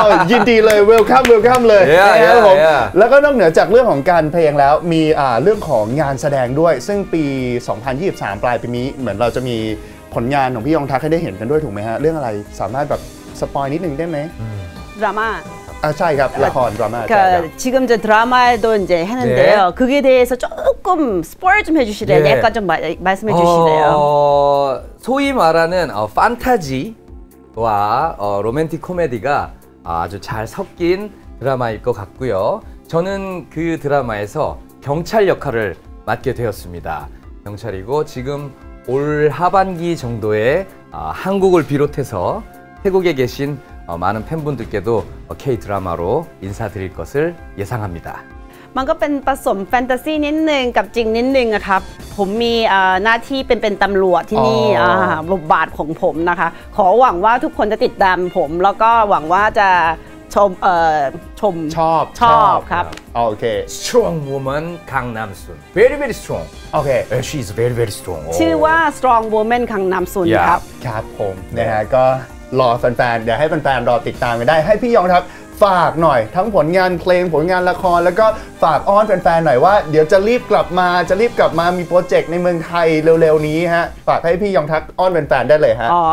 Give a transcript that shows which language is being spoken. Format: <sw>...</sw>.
<th>ยินดีเลย</th> <en>welcome welcome</en> <th>เลย yeah, ครับ ผมแล้วก็นอกเหนือจากเรื่องของการเพลงแล้วมีเรื่องของงานแสดงด้วยซึ่งปี2023ปลายปีนี้เหมือนเราจะมีผลงานของพี่ยองทักให้ได้เห็นกันด้วยถูกไหมฮะเรื่องอะไรสามารถแบบสปอยนิดนึงได้ไหม ดราม่า ใช่ครับละครดราม่า</th> <ko>지금저드라마에도이제했는데요그게대해서조금스포일좀해주시래요약간좀말씀해주시래요 소위말하는판타지와로맨틱코미디가아주잘섞인드라마일것같고요저는그드라마에서경찰역할을맡게되었습니다경찰이고지금올하반기정도에한국을비롯해서태국에계신많은팬분들께도 K 드라마로인사드릴것을예상합니다</ko> <th>มันก็เป็นผสมแฟนตาซีนิดนึงกับจริงนิดนึงอะครับผมมีหน้าที่เป็นตำรวจที่นี่บทบาทของผมนะคะขอหวังว่าทุกคนจะติดตามผมแล้วก็หวังว่าจะชม ชอบ ครับ โอเค</th> <en>strong woman Kang Nam Soon very very strong</en> <th>โอเค</th> <en>she is very very strong</en> <th>ชื่อว่า strong woman Kang Nam Soon ครับ ครับผมนะฮะก็รอแฟนๆเดี๋ยวให้แฟนๆรอติดตามกันได้ให้พี่ยองทักฝากหน่อยทั้งผลงานเพลงผลงานละครแล้วก็ฝากอ้อนแฟนๆหน่อยว่าเดี๋ยวจะรีบกลับมาจะรีบกลับมามีโปรเจกต์ในเมืองไทยเร็วๆนี้ฮะฝากให้พี่ยองทักอ้อนแฟนๆได้เลยฮะ</th>